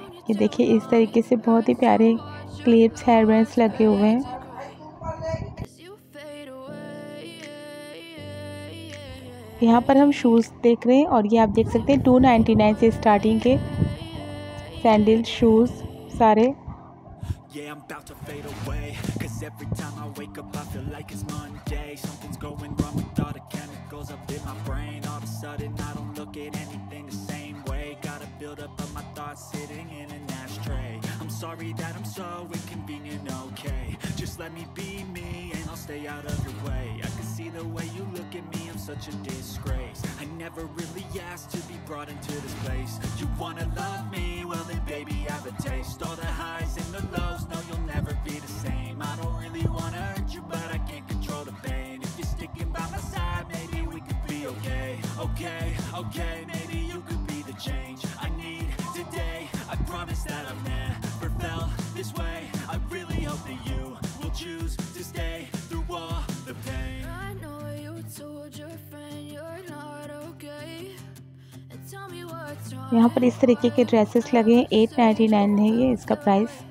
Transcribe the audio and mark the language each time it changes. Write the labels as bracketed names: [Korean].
[Hindi] ये देखिए इस तरीके से बहुत ही प्यारे क्लिप्स हेयरबैंड्स लगे हुए हैं। यहाँ पर हम शूज़ देख रहे हैं, और ये आप देख सकते हैं 299 से स्टार्टिंग के सैंडल शूज़ सारे। [English] Yeah, I'm about to fade away, cause every time I wake up I feel like it's Monday. Something's going wrong with all the chemicals up in my brain. All of a sudden I don't look at anything the same way. Gotta build up of my thoughts sitting in an ashtray. I'm sorry that I'm so inconvenient, no. let me be me, and I'll stay out of your way. I can see the way you look at me, I'm such a disgrace. I never really asked to be brought into this place. You wanna love me? Well then baby, I have a taste. All the highs and the lows, no, you'll never be the same. I don't really wanna hurt you, but I can't control the pain. If you're sticking by my side, maybe we could be okay. Okay, okay, maybe you could be the change I need today. I promise that I've never felt this way. I really hope that you will choose to stay through all the pain. I know you told your friend you're not okay. And tell me what's wrong. [Hindi] यहाँ पर इस तरीके के dresses लगे हैं, $899 है ये इसका प्राइस.